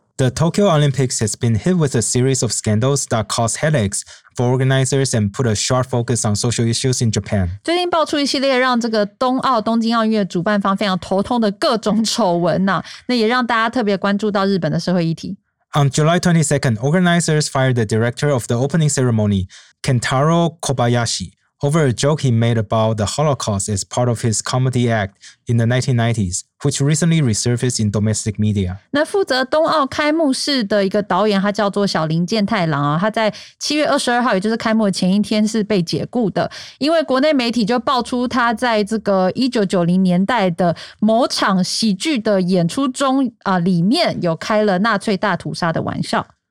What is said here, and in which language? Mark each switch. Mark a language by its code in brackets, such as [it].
[en] The Tokyo Olympics has been hit with a series of scandals that caused headaches. For organizers and put a sharp focus on social issues in Japan. [zh] 最近爆出一系列让这个东京奥运主办方非常头痛的各种丑闻啊，那也让大家特别关注到日本的社会议题。 [en] On July 22nd, organizers fired the director of the opening ceremony, Kentaro Kobayashi, over a joke he made about the Holocaust as part of his comedy act in the 1990s. Which recently resurfaced in domestic media. [zh] 那负责冬奥开幕式的一个导演，他叫做小林健太郎啊，他在7月22号，也就是开幕的前一天，是被解雇的，因为国内媒体就爆出他在这个1990年代的某场喜剧的演出中啊、里面有开了纳粹大屠杀的玩笑。